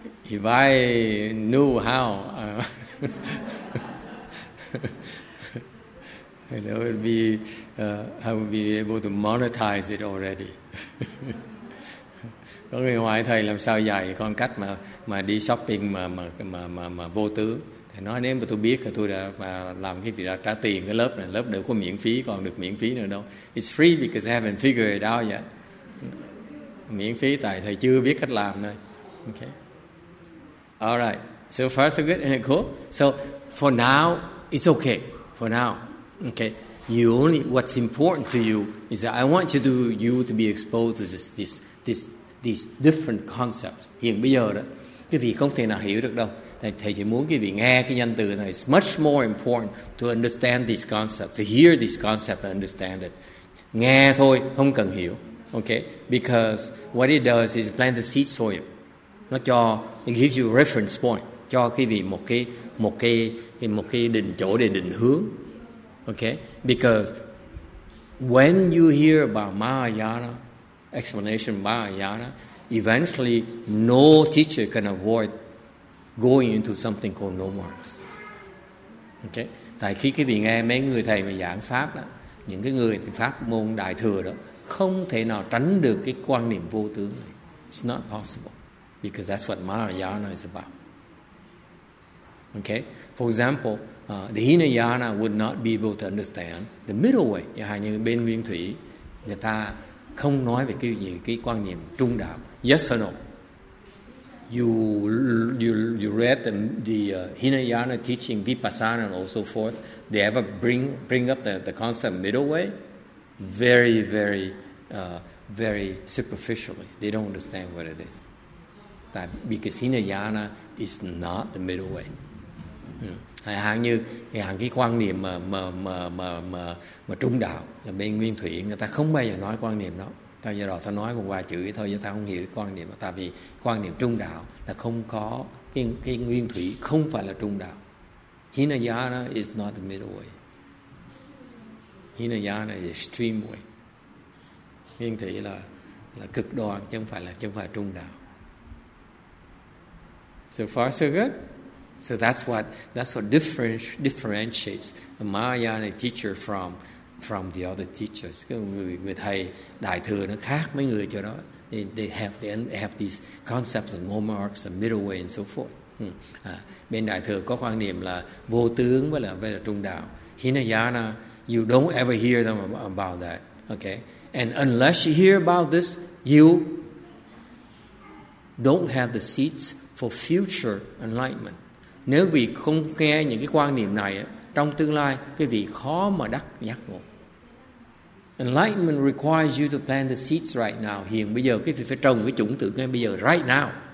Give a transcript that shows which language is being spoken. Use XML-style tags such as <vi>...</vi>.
<en>If I knew how, you know, it'd be, I would be able to monetize it already.</en> <vi>Có người hỏi thầy làm sao dạy con cách mà đi shopping mà vô tư. Thầy nói nếu mà tôi biết thì tôi đã làm cái việc đã trả tiền cái lớp này, lớp đều có miễn phí, còn được miễn phí nữa đâu.</vi> <en>It's free because I haven't figured it out yet.</en> <vi>Miễn phí tại thầy chưa biết cách làm thôi.</vi> <en>Okay. All right. So far so good. Cool. So for now, it's okay. For now. Okay. You only, what's important to you is that I want you to, be exposed to these different concepts.</en> <vi>Hiện bây giờ đó, quý vị không thể nào hiểu được đâu. Thầy chỉ muốn quý vị nghe cái danh từ này.</vi> <en>It's much more important to understand this concept, to hear this concept and understand it.</en> <vi>Nghe thôi, không cần hiểu.</vi> <en>Okay? Because what it does is plant the seeds for you.</en> <vi>Nó cho,</vi> <en>it gives you a reference point,</en> <vi>cho quý vị một cái định chỗ để định hướng.</vi> <en>Okay? Because when you hear about Mahayana, explanation Mahayana, eventually no teacher can avoid going into something called no marks. Okay?</en> <vi>Tại khi quý vị nghe mấy người thầy mà giảng pháp đó, những cái người pháp môn đại thừa đó, không thể nào tránh được cái quan niệm vô tướng này.</vi> <en>It's not possible. Because that's what Mahayana is about. Okay? For example, the Hinayana would not be able to understand the middle way.</en> <vi>Như hay như bên Nguyên Thủy, người ta không nói về cái quan niệm trung đạo.</vi> <en>Yes or no? You read the Hinayana teaching, Vipassana and so forth. They ever bring up the concept middle way? Very, very, very superficially. They don't understand what it is. That because Hinayana is not the middle way.</en> <vi>Hay hàng như hàng cái quan niệm mà trung đạo là bên Nguyên Thủy, người ta không bao giờ nói quan niệm đó. Tại giờ đó ta nói một vài chữ thôi chứ ta không hiểu quan niệm đó. Tại vì quan niệm trung đạo là không có cái Nguyên Thủy không phải là trung đạo.</vi> <en>Hinayana is not the middle way. Hinayana is extreme way.</en> <vi>Nguyên Thủy là cực đoan chứ không phải là trung đạo.</vi> <en>So far, so good. So that's what differentiates a Mahayana teacher from the other teachers.</en> <vi>Người thầy đại thừa nó khác mấy người chỗ đó.</vi> <en>They have these concepts of no marks and middle way and so forth.</en> <vi>Bên đại thừa có quan niệm là vô tướng với là trung đạo.</vi> <en>Hinayana, you don't ever hear them about that. Okay, and unless you hear about this, you don't have the seeds for future enlightenment.</en> <vi>Nếu vì không nghe những cái quan niệm này trong tương lai, cái vị khó mà đắc giác ngộ.</vi> <en>Enlightenment requires you to plant the seeds right now.</en> <vi>Hiện bây giờ cái vị phải trồng cái chủng tử ngay bây giờ,</vi> <en>right now.</en>